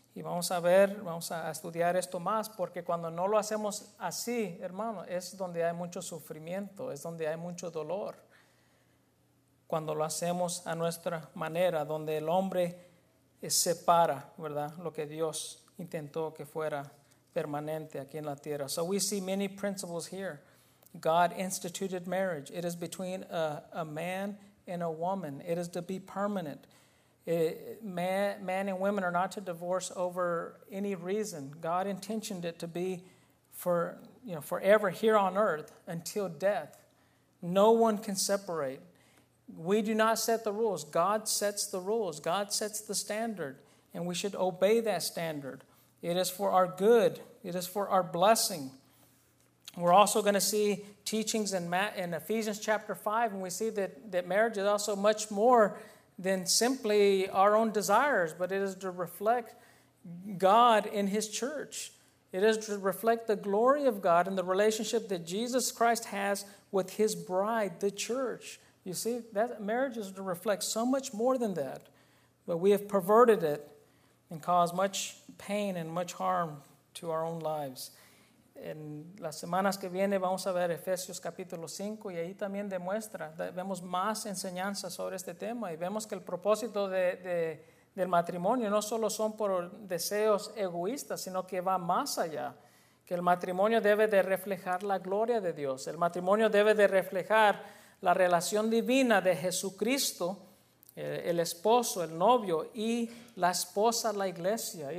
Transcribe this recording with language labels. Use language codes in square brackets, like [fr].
[es] Y vamos a ver, vamos a estudiar esto más, porque cuando no lo hacemos así, hermano, es donde hay mucho sufrimiento, es donde hay mucho dolor. Cuando lo hacemos a nuestra manera, donde el hombre separa, ¿verdad?, lo que Dios intentó que fuera permanente aquí en la tierra. [en] So we see many principles here. God instituted marriage. It is between a man and a woman. It is to be permanent. Man and women are not to divorce over any reason. God intentioned it to be for, you know, forever here on earth until death. No one can separate. We do not set the rules. God sets the rules. God sets the standard, and we should obey that standard. It is for our good. It is for our blessing. We're also going to see teachings in Ephesians chapter 5, and we see that marriage is also much more than simply our own desires, but it is to reflect God in His church. It is to reflect the glory of God and the relationship that Jesus Christ has with His bride, the church. You see, that marriage is to reflect so much more than that, but we have perverted it and caused much pain and much harm to our own lives. [es] En las semanas que viene vamos a ver Efesios capítulo 5 y ahí también demuestra, vemos más enseñanza sobre este tema y vemos que el propósito del matrimonio no solo son por deseos egoístas, sino que va más allá, que el matrimonio debe de reflejar la gloria de Dios, el matrimonio debe de reflejar la relación divina de Jesucristo, el esposo, el novio y la esposa, la iglesia.